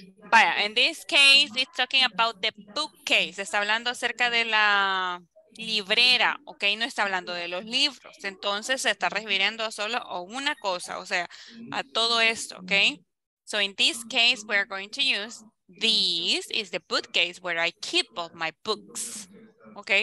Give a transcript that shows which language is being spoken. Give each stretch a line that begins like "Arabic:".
English: Vaya, in this case, it's talking about the bookcase.
Spanish: Está hablando acerca de la librera, ¿ok? No está hablando de los libros. Entonces, se está refiriendo a solo a una cosa, o sea, a todo esto, ¿ok?
English: So, in this case, we're going to use this is the bookcase where I keep all my books, ¿ok?